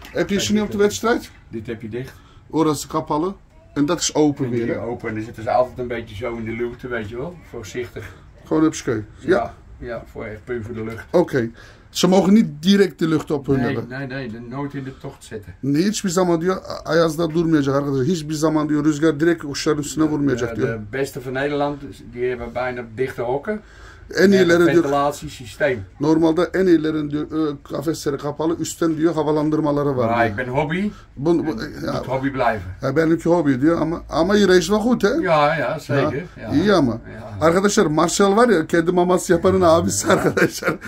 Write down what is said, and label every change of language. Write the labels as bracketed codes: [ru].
[nl] Heb je ze niet op de wedstrijd? Dit heb je dicht. Hoor dat ze kapallen. En dat is open en weer. Open. En dan zitten ze altijd een beetje zo in de luwte, weet je wel. Voorzichtig. Gewoon op schuil. Ja. Ja, voor echt puur voor de lucht. Oké. Okay. Ze mogen niet direct de lucht op hun hebben. Nee, nooit in de tocht zetten. Nee, [tr] hiçbir zaman diyor, ayaz da durmayacak arkadaşlar. Hiçbir zaman diyor, rüzgar direkt kuşların üstüne vurmayacak diyor. [nl] De beste van Nederland, die hebben bijna dichte hokken. [tr] En iyileri diyor. [nl] Ventilatiesysteem. [tr] Normalde en iyilerin diyor, kafesleri kapalı, üstten diyor havalandırmaları var. [nl] Ik ben hobby. Moet hobby blijven. Ja, [tr] benimki hobby diyor ama [nl] hier is wel goed hè? Ja, zeker. Ja. [tr] İyi ama. Ja. Arkadaşlar Marshall var ya, kedi maması yapanın abisi arkadaşlar.